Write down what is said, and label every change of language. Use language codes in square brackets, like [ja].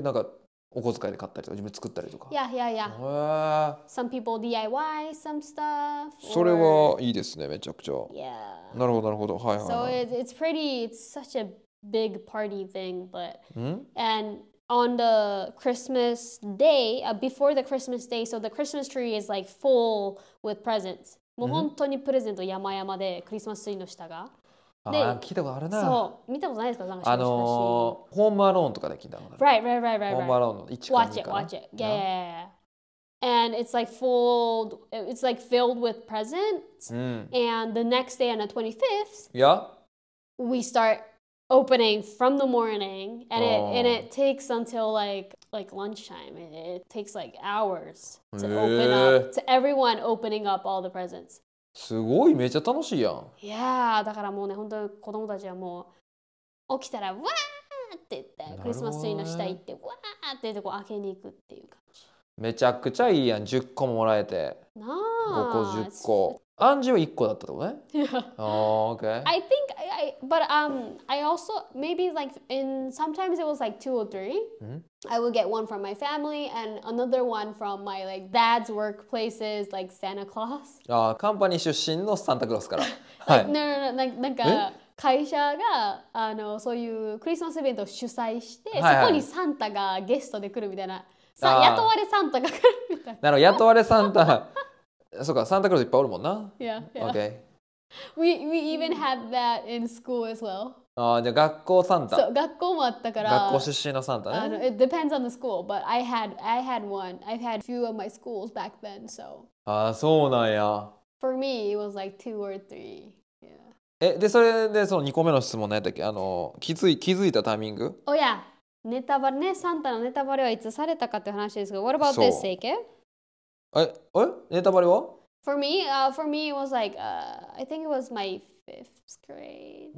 [ja] なんかお小遣いで買ったりとか、自分で作ったりとか。 [en] Yeah, yeah, yeah. Some people DIY some stuff. [ja] それはいいですね、めちゃくちゃ。 [en] Yeah. [ja] なるほど、なるほど。はいはい。 [en] So it's pretty, it's such a big party thing, but and on the Christmas day, before the Christmas day, so the Christmas tree is like full with presents. [ja] もう本当にプレゼント山々でクリスマスツリーの下が、うん、であ聞いたことあるな。そう、見たことないですか？なんかホームアローンとかで聞いたことある。 [en] right, right, right, right, [ja] ホームアローンの一環かな。 [en] watch it, watch it. Yeah, yeah, yeah. And it's like full, it's like filled with presents、 [ja] うん、 [en] and the next day on the 25th yeah we start opening from the morning and it takes until like lunchtime. It takes like hours to open up to everyone opening up all the presents. [ja] すごい、めちゃ楽しいやん。いやー、だからもうね、本当子供たちはもう起きたらわーって言って、クリスマスツリーの下行ってわーって言ってこう開けに行くっていう感じ。めちゃくちゃいいやん、10個ももらえて。なあ。5個10個。アンジーは1個だったってことね。 [en] Yeah. Oh, okay. I think, but I also maybe like in sometimes it was like two or three. I would get one from my family and another one from my like dad's workplaces, like Santa Claus. Ah, company [ja] 出身のサンタクロスから。 [en] No, no, no, [ja] なんか会社があのそういうクリスマスイベントを主催して、はいはい、そこにサンタがゲストで来るみたいな。雇われサンタが来るみたいな。なるほど、雇われサンタ。そうか、サンタクロスいっぱいおるもんな。 [en] Yeah, yeah. Okay. We even had that in school as well. [ja] ああ、じゃあ学校サンタ。そう、学校もあったから。学校出身のサンタね。 [en] It depends on the school, but I had one. I've had few of my schools back then, so. [ja] ああ、そうなんや。 [en] For me, it was like two or three. Yeah. [ja] え、で、それでその2個目の質問何やったっけ？あの、気づいたタイミング？ [en] Oh yeah. [ja] ネタバレね、サンタのネタバレはいつされたかって話ですが、 [en] What about this, [ja] Seike? え、ネタバレは？ [en] For me, it was like, I think it was my fifth grade.